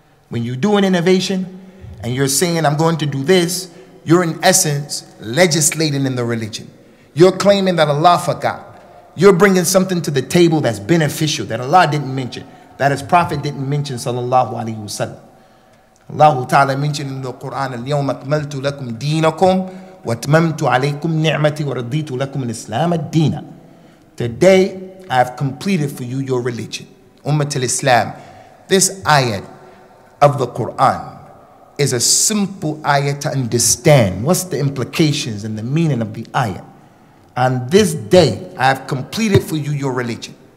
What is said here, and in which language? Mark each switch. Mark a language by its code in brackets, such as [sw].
[en] When you do an innovation and you're saying, I'm going to do this, you're in essence legislating in the religion. You're claiming that Allah forgot. You're bringing something to the table that's beneficial, that Allah didn't mention, that His Prophet didn't mention, sallallahu alayhi wa sallam. Allah Ta'ala mentioned in the Quran, [ar] اليوم أكملت لكم دينكم وَأَتْمَمْتُ عَلَيْكُمْ نِعْمَتِي وَرَضِيتُ لَكُمْ الْإِسْلَامَ الدِّينَ. [en] Today, I have completed for you your religion. Ummat al-Islam. This ayat of the Quran is a simple ayat to understand. What's the implications and the meaning of the ayat? On this day, I have completed for you your religion.